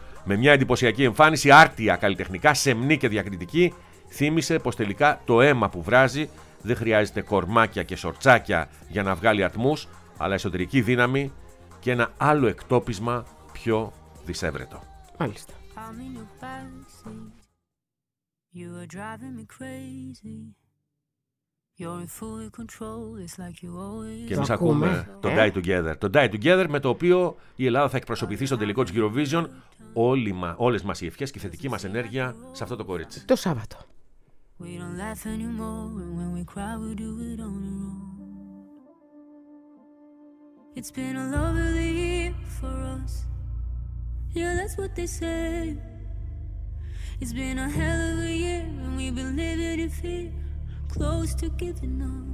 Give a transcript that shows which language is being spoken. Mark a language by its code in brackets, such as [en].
[el] Με μια εντυπωσιακή εμφάνιση, άρτια, καλλιτεχνικά, σεμνή και διακριτική, θύμισε πως τελικά το αίμα που βράζει δεν χρειάζεται κορμάκια και σορτσάκια για να βγάλει ατμούς, αλλά εσωτερική δύναμη και ένα άλλο εκτόπισμα πιο δυσέβρετο. Μάλιστα. [en] I'm in your backseat. You are driving me crazy. You're in full control. It's like you always. [el] Και εμείς ακούμε το Die Together. Το Die Together με το οποίο η Ελλάδα θα εκπροσωπηθεί στον τελικό της Eurovision. Όλες μας οι ευχές και η θετική μας ενέργεια σε αυτό το κορίτσι. Το Σάββατο. [en] We don't laugh anymore. And when we cry, we do it on our own. It's been a lovely year for us. Yeah, that's what they say. It's been a hell of a year and we've been living in fear, close to giving up.